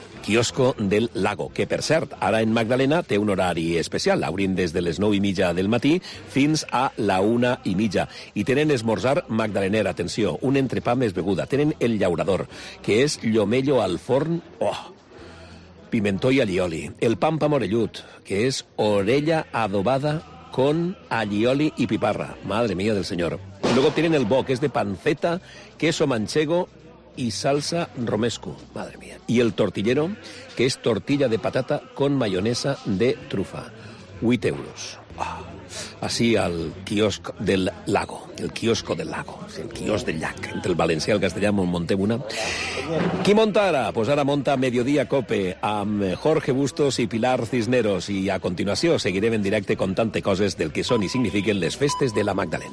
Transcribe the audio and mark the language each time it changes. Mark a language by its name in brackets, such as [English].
[Catalan] quiosco del lago, que per cert, ara en Magdalena té un horari especial, obrin des de les 9:30 del matí fins a la 1:30, i tenen esmorzar magdalener, atenció, un entrepà més beguda, tenen el llaurador, que és llomello al forn, oh, pimentó i allioli, el pampa morellut, que és orella adobada con allioli i piparra, [Spanish] madre mía [Catalan] del senyor. [Spanish] Luego tienen el bo, que és de panceta, queso manchego, y salsa romesco. Madre mía. Y el tortillero, que es tortilla de patata con mayonesa de trufa. 8 euros. Ah, así al kiosco del lago. El kiosco del lago. El kiosco del lago. [Catalan] Entre el valencià y el castellà, Montemuna. ¿Qui monta ara? Pues ara monta Mediodía Cope amb Jorge Bustos i Pilar Cisneros. I a continuació seguirem en directe contant coses del que són i signifiquen les festes de la Magdalena.